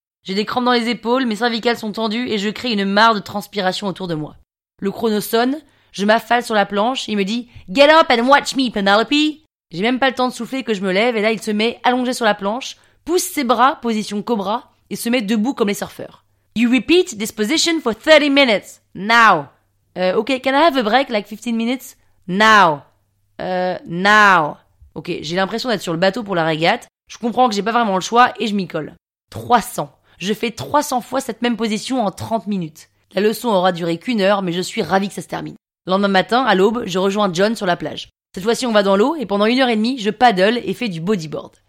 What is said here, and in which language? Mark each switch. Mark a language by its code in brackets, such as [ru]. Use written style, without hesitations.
[fr] J'ai des crampes dans les épaules, mes cervicales sont tendues, et je crée une mare de transpiration autour de moi. Le chrono sonne, je m'affale sur la planche, il me dit « [en] Get up and watch me, Penelope !» [fr] J'ai même pas le temps de souffler que je me lève, et là il se met allongé sur la planche, pousse ses bras, position cobra, et se met debout comme les surfeurs. [en] You repeat this position for 30 minutes. Now. Ok, can I have a break, like 15 minutes? Now. Now. [fr] Ok, j'ai l'impression d'être sur le bateau pour la régate. Je comprends que j'ai pas vraiment le choix et je m'y colle. 300. Je fais 300 fois cette même position en 30 minutes. La leçon aura duré qu'une heure, mais je suis ravi que ça se termine. Le lendemain matin, à l'aube, je rejoins John sur la plage. Cette fois-ci, on va dans l'eau et pendant une heure et demie, je paddle et fais du bodyboard.